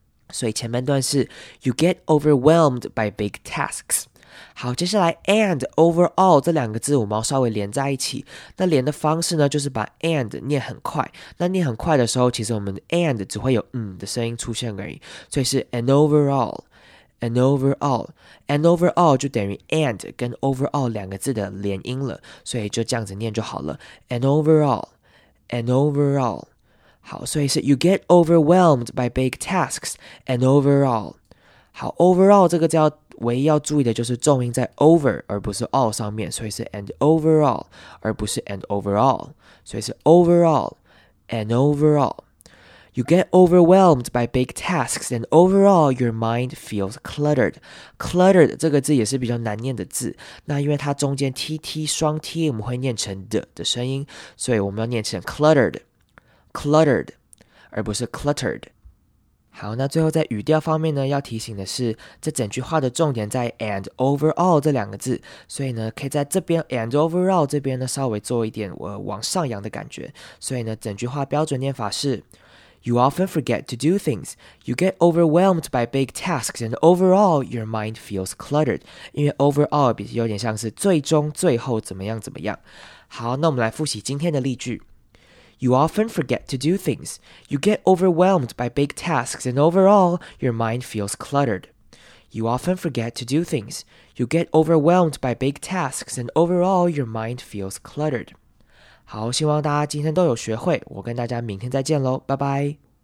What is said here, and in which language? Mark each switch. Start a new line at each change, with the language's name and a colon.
Chinese: 所以前半段是
English: you get overwhelmed by big tasks。
Chinese: 好，接下来
English: and overall
Chinese: 这两个字我们要稍微连在一起。那连的方式呢，就是把 and 念很快。那念很快的时候，其实我们 and 只会有的声音出现而已。所以是
English: and overall。 And overall, and overall
Chinese: 就等于 and 跟 overall 两个字的连音了，所以就这样子念就好了。
English: And overall, and overall.
Chinese: 好，所以是
English: you get overwhelmed by big tasks, and overall.
Chinese: 好 ,overall 这个字要唯一要注意的就是重音在 over 而不是 all 上面，所以是
English: and overall,
Chinese: 而不是 and overall. 所以是
English: overall, and overall. You get overwhelmed by big tasks, and overall, your mind feels cluttered.
Chinese: Cluttered 这个字也是比较难念的字。那因为它中间 tt 双 t， 我们会念成 d 的声音，所以我们要念成 cluttered, cluttered， 而不是 cluttered。好，那最后在语调方面呢，要提醒的是，这整句话的重点在
English: and overall
Chinese: 这两个字，所以呢，可以在这边 and overall 这边呢稍微做一点往上扬的感觉。所以呢，整句话标准念法是。
English: You often forget to do things. You get overwhelmed by big tasks, and overall, your mind feels cluttered.
Chinese: 因为 overall 比有点像是最终、最后怎么样怎么样。好，那我们来复习今天的例句。
English: You often forget to do things. You get overwhelmed by big tasks, and overall, your mind feels cluttered. You often forget to do things. You get overwhelmed by big tasks, and overall, your mind feels cluttered.
Chinese: 好，希望大家今天都有学会，我跟大家明天再见咯，拜拜。